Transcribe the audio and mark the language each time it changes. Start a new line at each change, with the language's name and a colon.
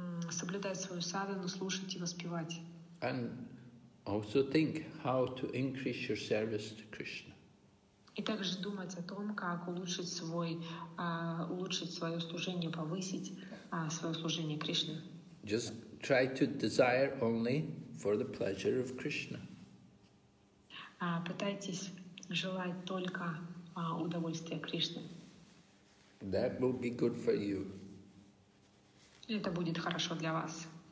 Russian: Соблюдать свою садхану, слушать и воспевать.
English: And also think how to increase your service to Krishna.
Russian: И также думать о том, как улучшить свое служение, повысить свое служение Кришне.
English: Just try to desire only for the pleasure of Krishna.
Russian: Пытайтесь желать только удовольствия Кришны.
English: That will be good for you.
Russian: Это будет хорошо для вас.